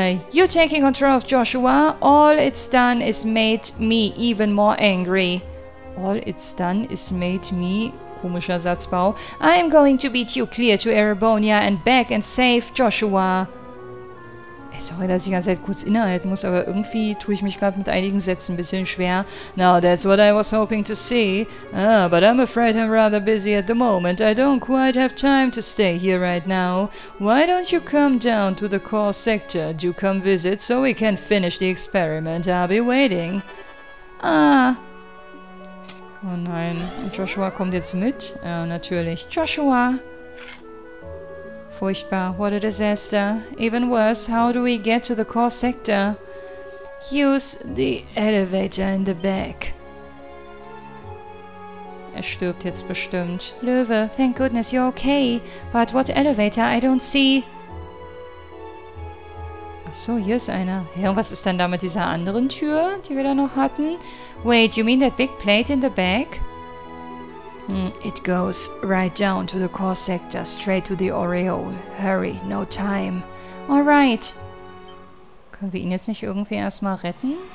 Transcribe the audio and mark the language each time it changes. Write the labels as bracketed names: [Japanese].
[English] You taking control of Joshua, all it's done is made me even more angry. All it's done is made me... [German] Komischer Satzbau. [English] I am going to beat you clear to Erebonia and back and save Joshua. [German] Sorry, dass ich die ganze Zeit kurz innehalten muss, aber irgendwie tue ich mich gerade mit einigen Sätzen ein bisschen schwer. [English] Now that's what I was hoping to see. Ah, but I'm afraid I'm rather busy at the moment. I don't quite have time to stay here right now. Why don't you come down to the core sector? Do come visit so we can finish the experiment. I'll be waiting. Ah. [German] Oh nein. Joshua kommt jetzt mit? Ja, natürlich. [English] Joshua. [German] Furchtbar, [English] what a disaster. Even worse, how do we get to the core sector? Use the elevator in the back. [German] Er stirbt jetzt bestimmt. [English] Löwe, thank goodness you're okay. But what elevator? I don't see. [German] Ach so, hier ist einer. Ja, und was ist denn da mit dieser anderen Tür, die wir da noch hatten? [English] Wait, you mean that big plate in the back? It goes right down to the core sector, straight to the aureole. Hurry, no time. All right. [German] Können wir ihn jetzt nicht irgendwie erstmal retten?